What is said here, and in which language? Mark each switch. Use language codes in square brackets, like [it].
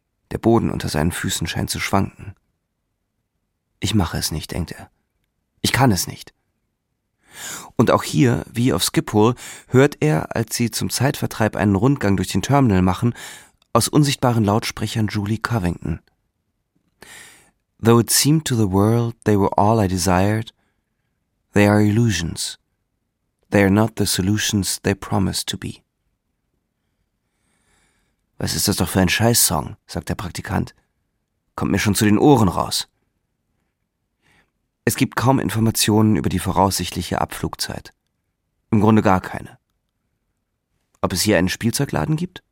[de] Der Boden unter seinen Füßen scheint zu schwanken. Ich mache es nicht, denkt er. Ich kann es nicht. Und auch hier, wie auf Schiphol, hört er, als sie zum Zeitvertreib einen Rundgang durch den Terminal machen, aus unsichtbaren Lautsprechern Julie Covington. [en] Though it seemed to the world they were all I desired, they are illusions. They are not the solutions they promised to be. [de] Was ist das doch für ein Scheißsong, sagt der Praktikant. Kommt mir schon zu den Ohren raus. Es gibt kaum Informationen über die voraussichtliche Abflugzeit. Im Grunde gar keine. Ob es hier einen Spielzeugladen gibt?